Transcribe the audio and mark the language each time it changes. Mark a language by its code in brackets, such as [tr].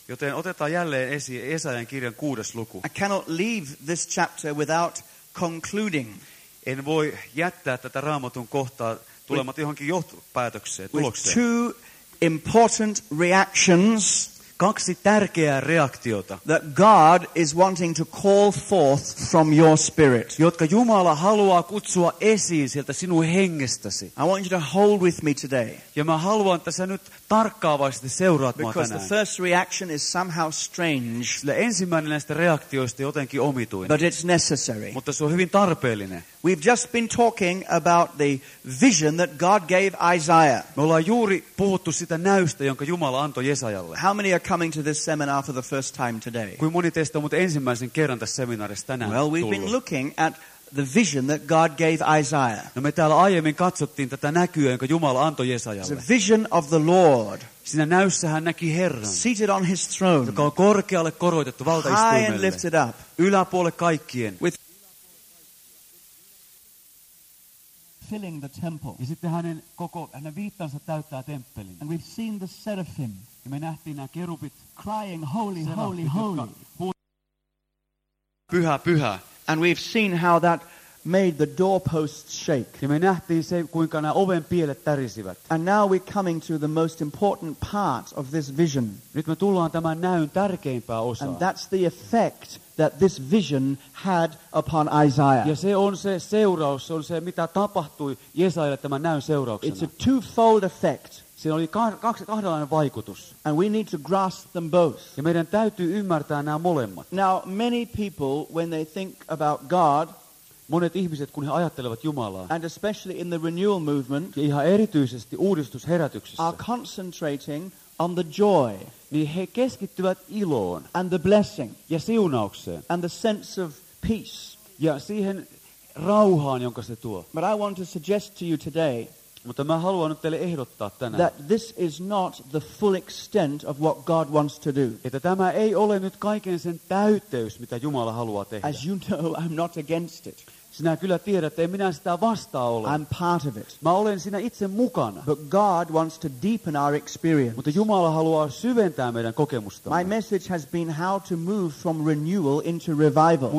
[fi] Joten otetaan jälleen esiin Jesajan kirjan 6. luku. [en] I cannot leave this chapter without concluding. [fi] En voi jättää tätä Raamatun kohtaa tulematta johonkin johtopäätökseen, tulokseen. [en] With two important reactions. [fi] Kaksi tärkeää reaktiota. [en] That God is wanting to call forth from your spirit. [fi] Jotka Jumala haluaa kutsua esiin sieltä sinun hengestäsi. [en] I want you to hold with me today. [fi] Ja mä haluan, että sä nyt tarkkaavaisesti seuraat mua tänään. [en] The first reaction is somehow strange. [fi] Sillä ensimmäinen näistä reaktioista jotenkin omituinen. [en] But it's necessary. [fi] Mutta se on hyvin tarpeellinen. [en] We've just been talking about the vision that God gave Isaiah. [fi] Me ollaan juuri puhuttu sitä näystä, jonka Jumala antoi Jesajalle. [en] How many are coming to this seminar for the first time today? [fi] Kuinka moni teistä on mut ensimmäisen kerran tässä seminaarissa tänään tullut? [en] Well, we've been looking at the vision that God gave Isaiah. [fi] No, me täällä aiemmin katsottiin tätä näkyä, jonka Jumala antoi Jesajalle. [en] The vision of the Lord. [fi] Siinä näyssä hän näki Herran. [en] Seated on his throne. [fi] Joka on korkealle korotettu valtaistuimelle. [en] High and lifted up. [fi] Yläpuolelle kaikkien. [en] With filling the temple. [fi] Ja sitten hänen koko hänen viittansa täyttää temppelin. [en] And we've seen the seraphim. [fi] Ja me nähtiin nämä kerubit. [en] Crying holy, holy, holy. [fi] Pyhä, pyhä. [en] And we've seen how that made the doorposts shake. [fi] Ja me nähtiin se, kuinka nämä oven pielet tärisivät. [en] And now we're coming to the most important part of this vision. [fi] Nyt me tullaan tämän näyn tärkeimpään osaan. [en] And that's the effect that this vision had upon Isaiah. [fi] Ja se on se seuraus, se on se, mitä tapahtui Jesajalle tämän näyn seurauksena. [en] It's a twofold effect. [fi] Siinä oli kahdenlainen vaikutus. [en] And we need to grasp them both. [fi] Ja meidän täytyy ymmärtää nämä molemmat. [en] Now, many people, when they think about God, [fi] monet ihmiset, kun he ajattelevat Jumalaa, [en] and especially in the renewal movement, [fi] ja ihan erityisesti uudistusherätyksessä, [en] are concentrating on the joy, [fi] niin he keskittyvät iloon, [en] and the blessing, [fi] ja siunaukseen, [en] and the sense of peace, [fi] ja siihen rauhaan, jonka se tuo. [en] But I want to suggest to you today, [fi] mutta mä haluan nyt teille ehdottaa tänään, [en] that this is not the full extent of what God wants to do. [fi] Että tämä ei ole nyt kaiken sen täyteys, mitä Jumala haluaa tehdä. [en] As you know, I'm not against it. [fi] Sinä kyllä tiedät, että en minä sitä vastaan ole. [en] I'm part of it. [fi] Mä olen siinä itse mukana. [en] But God wants to deepen our experience. [fi] Mutta Jumala haluaa syventää meidän kokemusta. [en] My message has been how to move from renewal into revival.